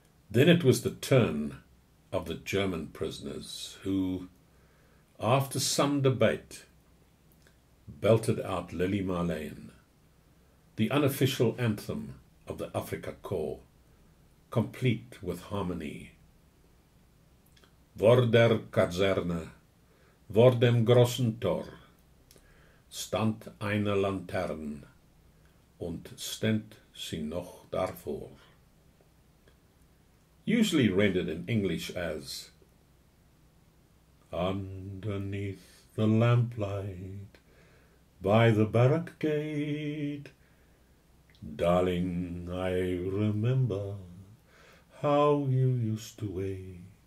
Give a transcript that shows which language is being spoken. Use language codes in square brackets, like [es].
[en] Then it was the turn of the German prisoners who, after some debate, belted out Lily Marleen, the unofficial anthem of the Afrika Korps, complete with harmony. [de] Vor der Kaserne, vor dem großen Tor, stand eine Lantern und stand sie noch davor. [en] Usually rendered in English as underneath the lamplight, by the barrack gate, darling, I remember how you used to wait.